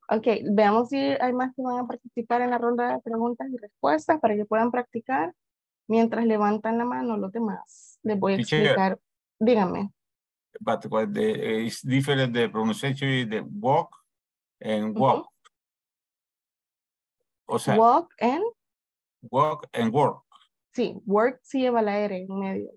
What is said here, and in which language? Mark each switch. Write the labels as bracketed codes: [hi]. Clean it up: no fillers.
[es] Okay, veamos si hay más que van a participar en la ronda de preguntas y respuestas para que puedan practicar mientras levantan la mano los demás. Les voy a explicar. Dígame. [en] But what is different the pronunciation is the walk and walk. [es] Uh-huh. O sea, walk and? [en] Walk and work. [es] Sí, work sí lleva la R en medio.